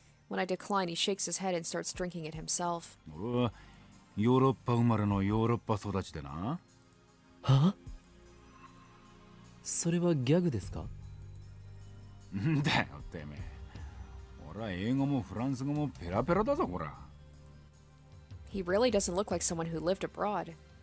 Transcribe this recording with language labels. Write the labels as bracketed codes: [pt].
[en] When I decline, he shakes his head and starts drinking it himself. [ja] 俺はヨーロッパ生まれのヨーロッパ育ちでな。 Huh? それはギャグですか? だよ、てめえ。俺は英語もフランス語もペラペラだぞ、こら。 [en] He really doesn't look like someone who lived abroad.